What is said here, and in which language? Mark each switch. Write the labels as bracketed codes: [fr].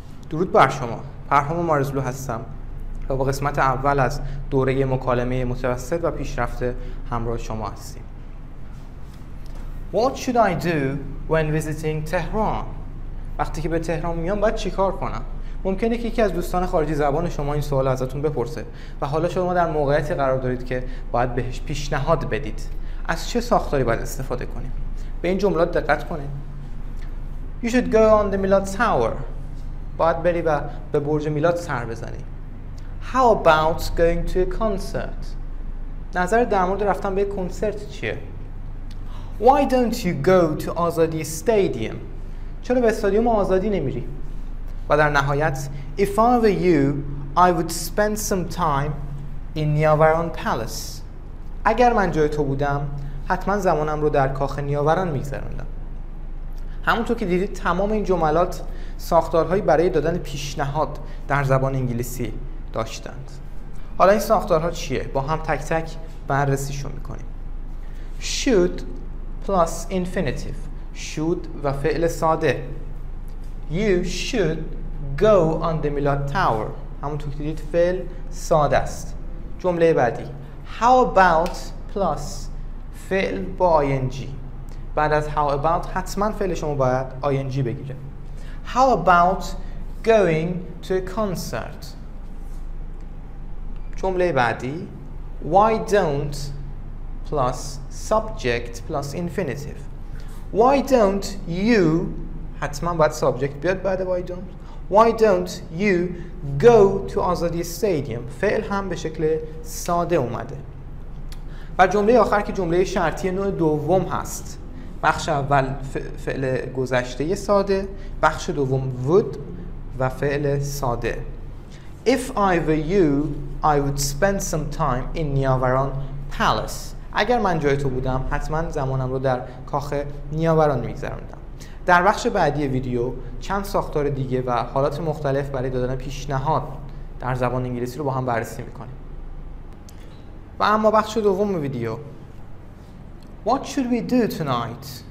[fa] درود بر شما. پرهام مارزلو هستم و با قسمت اول از دوره مکالمه متوسط و پیشرفته همراه شما هستیم. [en] What should I do when visiting Tehran? [fa] وقتی که به تهران میام باید چی کار کنم؟ ممکنه که یکی از دوستان خارجی زبان شما این سوال ازتون بپرسه و حالا شما در موقعیتی قرار دارید که باید بهش پیشنهاد بدید. از چه ساختاری باید استفاده کنیم؟ به این جملات دقت کنید. [en] You should go on the Milad Tower. [fa] باید بری و به برج میلاد سر بزنی. [en] How about going to a concert? [fa] نظر در مورد رفتن به کنسرت چیه؟ [en] Why don't you go to Azadi Stadium? [fa] چرا به استادیوم آزادی نمیری؟ و در نهایت [en] If I were you, I would spend some time in Niavaran Palace. [fa] اگر من جای تو بودم حتما زمانم رو در کاخ نیاوران میگذروندم. همونطور که دیدید تمام این جملات ساختارهایی برای دادن پیشنهاد در زبان انگلیسی داشتند. حالا این ساختارها چیه؟ با هم تک تک بررسیشون میکنیم. [en] Should plus infinitive. [fa] Should و فعل ساده. [en] You should go on the Milad Tower. [fa] همونطور که دیدید فعل ساده است. جمله بعدی. [en] How about plus [fa] فعل با [en] ing. [fa] بعد از how about حتما فعل شما باید ing بگیره. [en] How about going to a concert? [fa] جمله بعدی [en] Why don't plus subject plus infinitive. Why don't you [fa] حتما باید [en] subject [fa] بیاد بعد [en] why don't. Why don't you go to Azadi Stadium. [fa] فعل هم به شکل ساده اومده. و جمله آخر که جمله شرطی نوع دوم هست. بخش اول فعل گذشته ساده، بخش دوم would و فعل ساده. [en] If I were you, I would spend some time in Niavaran Palace. [fa] اگر من جای تو بودم حتما زمانم رو در کاخ نیاوران میگذروندم. در بخش بعدی ویدیو چند ساختار دیگه و حالات مختلف برای دادن پیشنهاد در زبان انگلیسی رو با هم بررسی میکنیم. و اما بخش دوم ویدیو [en] What should we do tonight?